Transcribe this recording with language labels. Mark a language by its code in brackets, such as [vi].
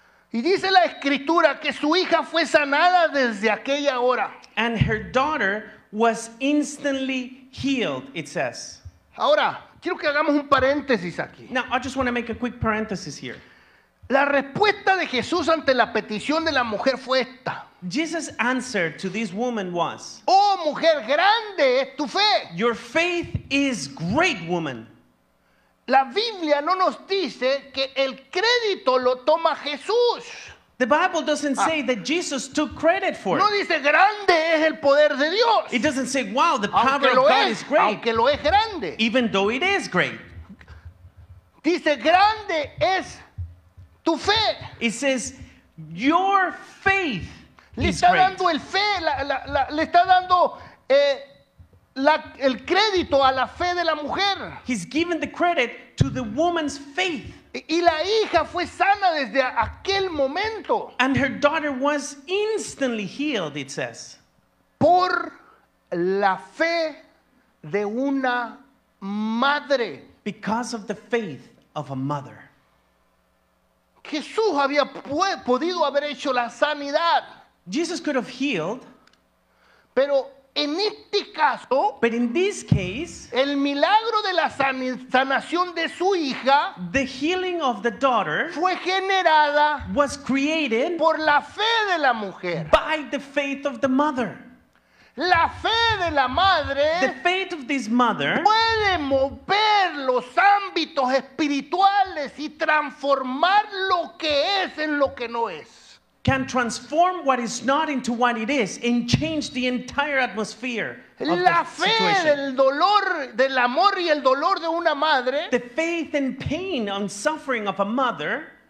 [es] Y dice la escritura que su hija fue sanada desde aquella hora. [en] And her daughter was instantly healed, it says. [es] Ahora, quiero que hagamos un paréntesis aquí. [en] Now, I just want to make a quick parenthesis here. [es] La respuesta de Jesús ante la petición de la mujer fue esta. [en] Jesus' answer to this woman was, [es] oh, mujer, grande es tu fe. [en] Your faith is great, woman. [es] La Biblia no nos dice que el crédito lo toma Jesús. [en] The Bible doesn't say that Jesus took credit for it. [es] No dice, grande es el poder de Dios. [en] It doesn't say, wow, the power of God is great. [es] Aunque lo es grande. [en] Even though it is great. [es] Dice, grande es tu fe. [en] It says, your faith [es] le [en] is great. [es] Le está dando el fe, le está dando el crédito a la fe de la mujer. [en] He's given the credit to the woman's faith. [es] Y la hija fue sana desde aquel momento. [en] And her daughter was instantly healed, it says. [es] Por la fe de una madre. [en] Because of the faith of a mother. [es] Jesús había podido haber hecho la sanidad. [en] Jesus could have healed. [es] Pero En este caso, [en] but in this case, [es] el milagro de la sanación de su hija, [en] the healing of the daughter, [es] fue generada, [en] was created, [es] por la fe de la mujer, [en] by the faith of the mother. [es] La fe de la madre, [en] the faith of this mother, [es] puede mover los ámbitos espirituales y transformar lo que es en lo que no es. [en] Can transform what is not into what it is and change the entire atmosphere of [es] la [en] the [es] fe [en] situation. [es] Del dolor, del amor y el dolor de una madre, [en] the faith and pain and suffering of a mother